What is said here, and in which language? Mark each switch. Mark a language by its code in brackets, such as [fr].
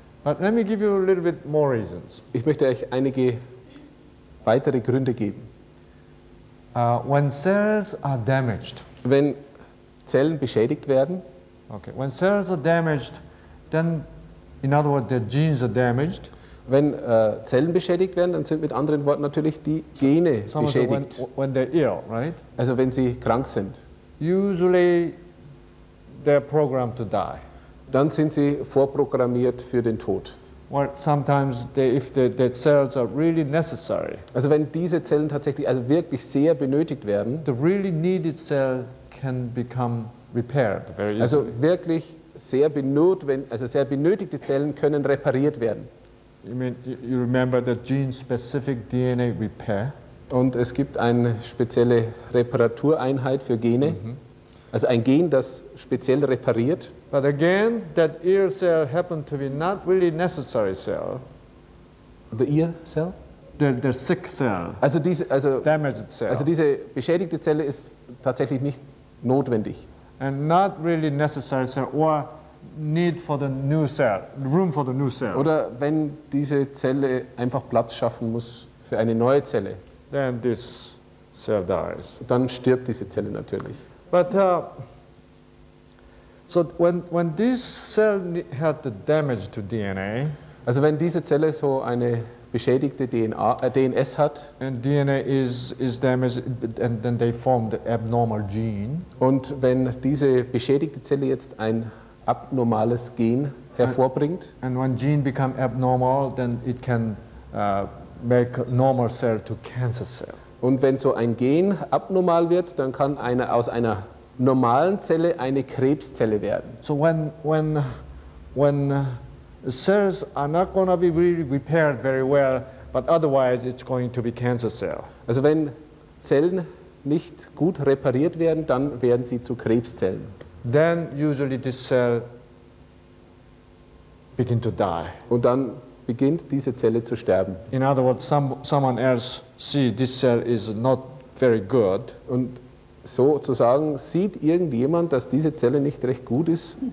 [en] But let me give you a little bit more reasons. [de] Ich möchte euch einige weitere Gründe geben. [en] When cells are damaged. [de] Wenn Zellen beschädigt werden. [en] Okay. When cells are damaged, then, in other words, their genes are damaged. [de] Wenn Zellen beschädigt werden, dann sind mit anderen Worten natürlich die Gene beschädigt. [en] When they're ill, right? [de] Also wenn sie krank sind. [en] Usually they're programmed to die. [de] Dann sind sie vorprogrammiert für den Tod. [en] Well, sometimes if the cells are really necessary. [de] Also wenn diese Zellen tatsächlich also wirklich sehr benötigt werden. [en] The really needed cell can become repaired very easily. [de] Also wirklich sehr sehr benötigte Zellen können repariert werden. [en] You remember the gene-specific DNA repair? [de] Und es gibt eine spezielle Reparatureinheit für Gene, mm-hmm. Also ein Gen, das speziell repariert. [en] But again, that ear cell happened to be not really necessary cell. The ear cell? the sick cell. [de] Also diese, also [en] damaged cell. [de] Also diese beschädigte Zelle ist tatsächlich nicht notwendig. [en] And not really necessary cell or need for the new cell, room for the new cell. [de] Oder wenn diese Zelle einfach Platz schaffen muss für eine neue Zelle. [en] Then this cell dies. [de] Dann stirbt diese Zelle natürlich. [en] But so when this cell had the damage to DNA. [de] Also wenn diese Zelle so eine beschädigte DNA, DNS hat. [en] And DNA is damaged, and then they form the abnormal gene. [de] Und wenn diese beschädigte Zelle jetzt ein abnormales Gen hervorbringt. [en] And when gene become abnormal, then it can make normal cell to cancer cell. [de] Und wenn so ein Gen abnormal wird, dann kann eine aus einer normalen Zelle eine Krebszelle werden. [en] So when cells are not going to be really repaired very well, but otherwise it's going to be cancer cell. [de] Also wenn Zellen nicht gut repariert werden, dann werden sie zu Krebszellen. [en] Then usually this cell begin to die. [de] Und dann beginnt diese Zelle zu sterben. [en] In other words, someone else see this cell is not very good. [de] Und sozusagen sieht irgendjemand, dass diese Zelle nicht recht gut ist.